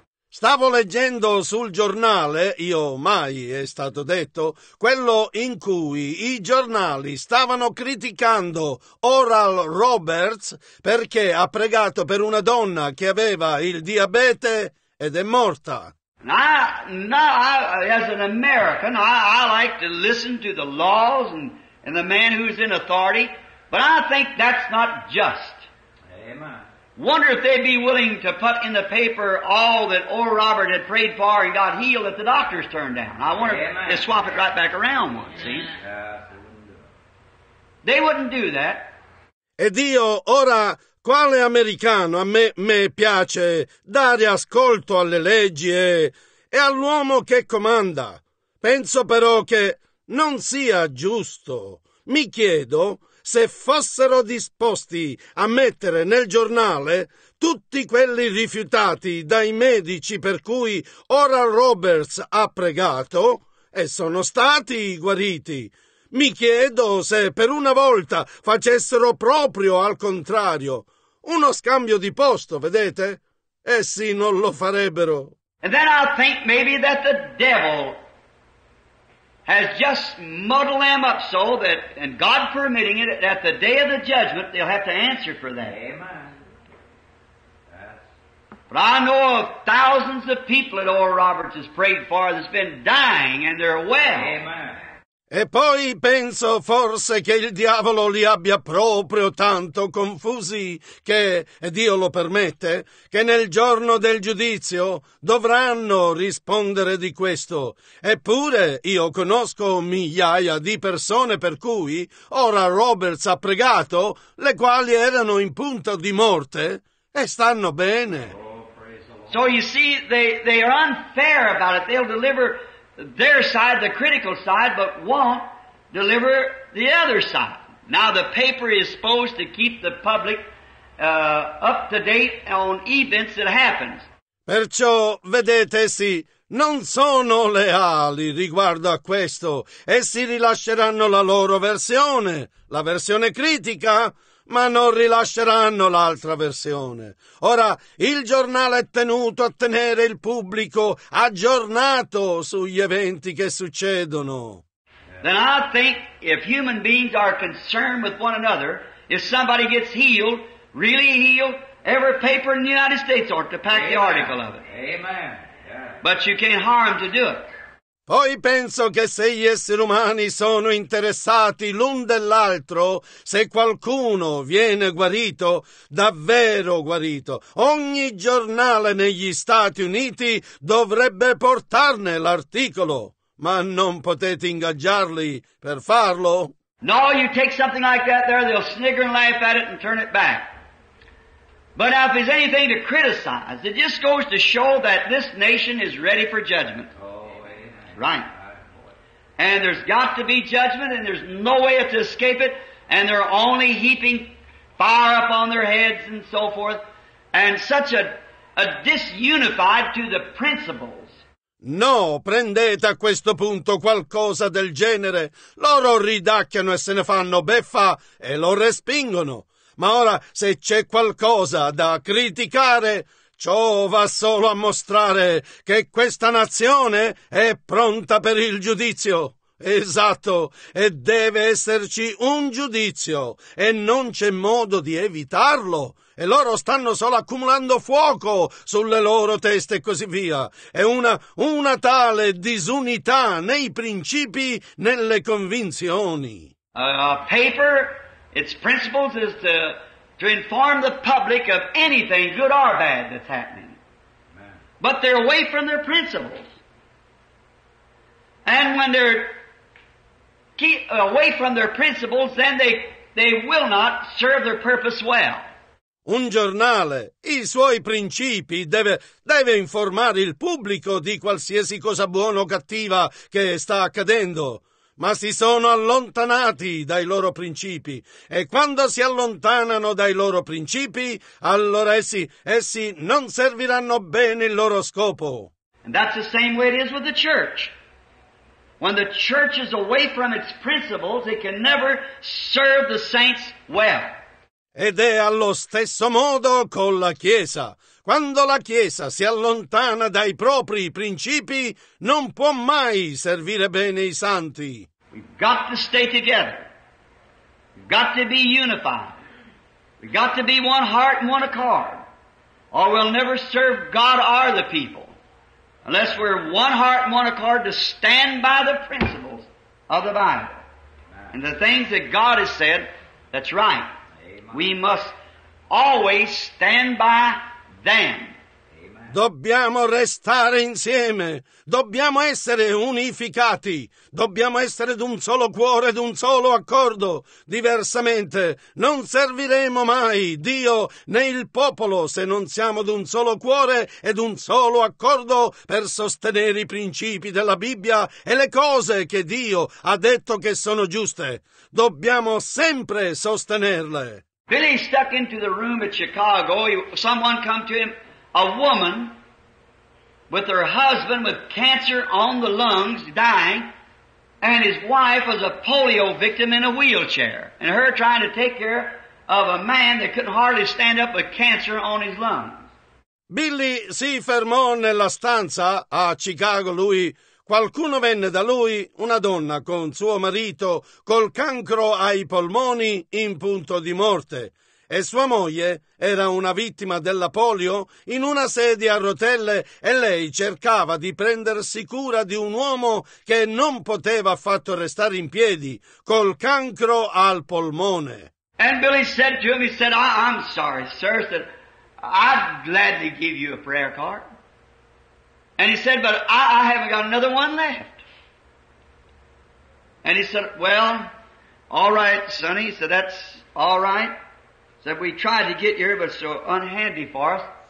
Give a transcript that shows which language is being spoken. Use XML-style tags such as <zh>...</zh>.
<it>Stavo leggendo sul giornale, io mai è stato detto, quello in cui i giornali stavano criticando Oral Roberts perché ha pregato per una donna che aveva il diabete ed è morta.</it> <en>As an American, I like to listen to the laws and the man who's in authority, but I think that's not just. Amen. Wonder if they'd be willing to put in the paper all that Oral Roberts had prayed for and got healed that the doctors turned down. I wonder Amen. If they'd swap it right back around once, Amen. See? Yeah, they wouldn't do that.</en> <it>E Dio, ora, quale americano a me piace dare ascolto alle leggi e all'uomo che comanda? Penso però che non sia giusto. Mi chiedo se fossero disposti a mettere nel giornale tutti quelli rifiutati dai medici per cui Oral Roberts ha pregato e sono stati guariti. Mi chiedo se per una volta facessero proprio al contrario. Uno scambio di posto, vedete? Essi non lo farebbero.</it> <en>And then I think maybe that the devil has just muddled them up so that, and God permitting it, at the day of the judgment, they'll have to answer for that. Amen. But I know of thousands of people that Oral Roberts has prayed for that's been dying and they're well. Amen.</en> <it>E poi penso forse che il diavolo li abbia proprio tanto confusi che, e Dio lo permette, che nel giorno del giudizio dovranno rispondere di questo. Eppure io conosco migliaia di persone per cui ora Roberts ha pregato, le quali erano in punto di morte e stanno bene.</it> <en>Oh, praise the Lord. So you see, they are unfair about it. They'll deliver their side, the critical side, but won't deliver the other side. Now the paper is supposed to keep the public up to date on events that happens.</en> <it>Perciò, vedete, sì, non sono leali riguardo a questo. Essi rilasceranno la loro versione, la versione critica, ma non rilasceranno l'altra versione. Ora, il giornale è tenuto a tenere il pubblico aggiornato sugli eventi che succedono.</it> <en>Then I think if human beings are concerned with one another, if somebody gets healed, really healed, every paper in the United States ought to pack Amen. The article of it. Amen. Yeah. But you can't harm to do it.</en> <it>Poi penso che se gli esseri umani sono interessati l'un dell'altro, se qualcuno viene guarito, davvero guarito, ogni giornale negli Stati Uniti dovrebbe portarne l'articolo. Ma non potete ingaggiarli per farlo.</it> <en>No, you take something like that there, they'll snigger and laugh at it and turn it back. But if there's anything to criticize, it just goes to show that this nation is ready for judgment. Oh, right. And there's got to be judgment, and there's no way to escape it, and they're only heaping fire upon their heads and so forth, and such a disunified to the principle.</en> <it>No, prendete a questo punto qualcosa del genere. Loro ridacchiano e se ne fanno beffa e lo respingono. Ma ora, se c'è qualcosa da criticare, ciò va solo a mostrare che questa nazione è pronta per il giudizio. Esatto, e deve esserci un giudizio, e non c'è modo di evitarlo. E loro stanno solo accumulando fuoco sulle loro teste e così via. È una tale disunità nei principi, nelle convinzioni.</it> <en>A paper, its principles is to inform the public of anything, good or bad, that's happening. But they're away from their principles. And when they're away from their principles, then they will not serve their purpose well.</en> <it>Un giornale, i suoi principi, deve informare il pubblico di qualsiasi cosa buona o cattiva che sta accadendo. Ma si sono allontanati dai loro principi. E quando si allontanano dai loro principi, allora essi non serviranno bene il loro scopo.</it> <en>And that's the same way it is with the church. When the church is away from its principles, it can never serve the saints well.</en> <it>Ed è allo stesso modo con la Chiesa. Quando la Chiesa si allontana dai propri principi, non può mai servire bene i santi.</it> <en>We've got to stay together. We've got to be unified. We've got to be one heart and one accord. Or we'll never serve God or the people. Unless we're one heart and one accord to stand by the principles of the Bible. And the things that God has said, that's right. We must always stand by them.</en> <it>Dobbiamo restare insieme. Dobbiamo essere unificati. Dobbiamo essere d'un solo cuore, d'un solo accordo. Diversamente, non serviremo mai Dio né il popolo se non siamo d'un solo cuore e d'un solo accordo per sostenere i principi della Bibbia e le cose che Dio ha detto che sono giuste. Dobbiamo sempre sostenerle.</it> <en>Billy stuck into the room at Chicago. Someone come to him, a woman with her husband with cancer on the lungs, dying, and his wife was a polio victim in a wheelchair, and her trying to take care of a man that couldn't hardly stand up with cancer on his lungs.</en> <it>Billy si fermò nella stanza a Chicago, lui. Qualcuno venne da lui, una donna con suo marito, col cancro ai polmoni in punto di morte. E sua moglie era una vittima della polio in una sedia a rotelle e lei cercava di prendersi cura di un uomo che non poteva affatto restare in piedi, col cancro al polmone.</it> <en>And Billy said to him, he said, I'm sorry, sir, said, I'd gladly give you a prayer card. And he said, but I haven't got another one left. And he said, well, all right, sonny. He said, that's all right. He said, we tried to get here, but it's so unhandy for us.</en>